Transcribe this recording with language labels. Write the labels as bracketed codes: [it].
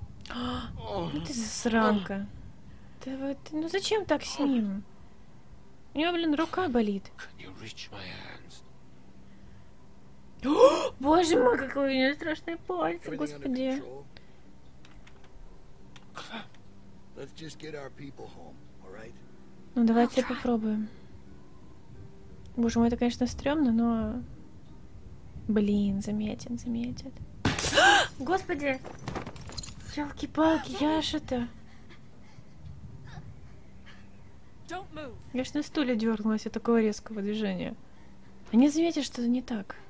[ru] Ну ты засранка. Да вот, ну зачем так с ним? У него, блин, рука болит. Боже мой, какой у него страшный палец, господи. [en] Let's just get our people home, all right? [ru] Ну давайте попробуем. Боже мой, это, конечно, стрёмно, но... Блин, заметят, заметят. Господи! Ёлки-палки, я ж это... Я ж на стуле дёрнулась от такого резкого движения. Они заметят, что это не так.